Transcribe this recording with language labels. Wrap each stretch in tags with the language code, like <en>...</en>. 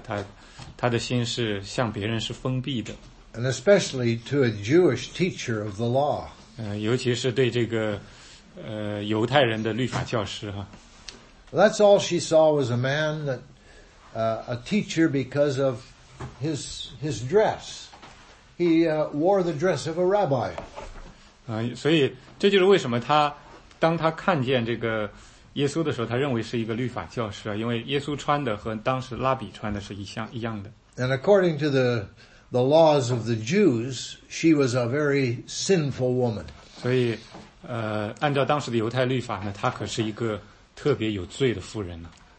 <zh>因着过去这些历史的这个秘密啊，其实是罪啊，他的心是向别人是封闭的。</zh> <en>And especially to a Jewish teacher of the law.</en> <zh>尤其是对这个犹太人的律法教师哈。</zh> <en>That's all she saw was a man that a teacher because of his dress. He wore the dress of a rabbi.</en> <zh>所以这就是为什么他当他看见这个 耶稣的时候，他认为是一个律法教师啊，因为耶稣穿的和当时拉比穿的是一样的。</zh> <en>And according to the laws of the Jews, she was a very sinful woman.</en> <zh>所以，按照当时的犹太律法呢，她可是一个特别有罪的妇人呢。</zh>